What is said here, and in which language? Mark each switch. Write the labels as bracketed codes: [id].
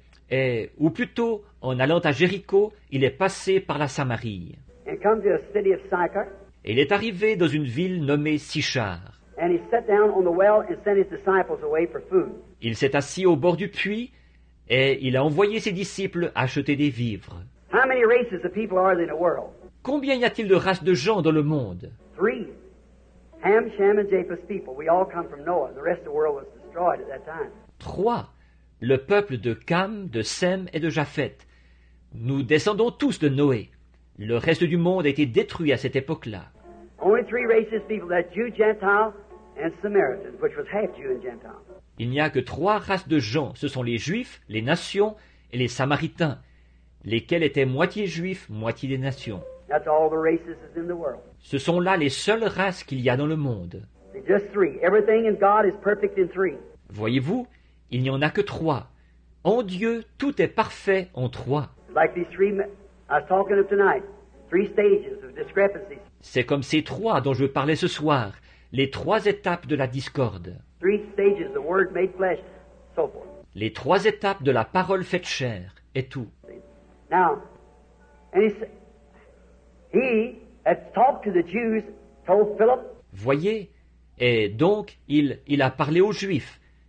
[fr] Et, ou plutôt, en allant à Jéricho, il est passé par la Samarie. [en] And come to the city of Sychar. [fr] Et il est arrivé dans une ville nommée Sychar. [en] And he sat down on the well and sent his disciples away for food. [fr] Il s'est assis au bord du puits et il a envoyé ses disciples acheter des vivres. [en] How many races of people are there in the world? [fr] Combien y a-t-il de races de gens dans le monde? [en] Three. Ham, Shem and Japheth's people. We all come from Noah. The rest of the world was destroyed at that time. [fr] Trois. Le peuple de Cam, de Sem et de Japheth. Nous descendons tous de Noé. Le reste du monde a été détruit à cette époque-là. [en] Only three races of people. That's Jew, Gentile and Samaritan, which was half Jew and Gentile. [fr] Il n'y a que trois races de gens. Ce sont les Juifs, les Nations et les Samaritains, lesquels étaient moitié Juifs, moitié des Nations. [en] That's all the races in the world. [fr] Ce sont là les seules races qu'il y a dans le monde. [en] Just three. Everything in God is perfect in three. [fr] Voyez-vous, il n'y en a que trois. En Dieu, tout est parfait en trois. [en] Like these three I was talking of tonight, three stages of discrepancies. [fr] C'est comme ces trois dont je parlais ce soir, les trois étapes de la discorde. [en] Three stages, the word made flesh, so forth. [fr] Les trois étapes de la parole faite chair et tout. [en] Now, and he talked to the Jews, told Philip. [fr] voyez, et donc il a parlé aux Juifs.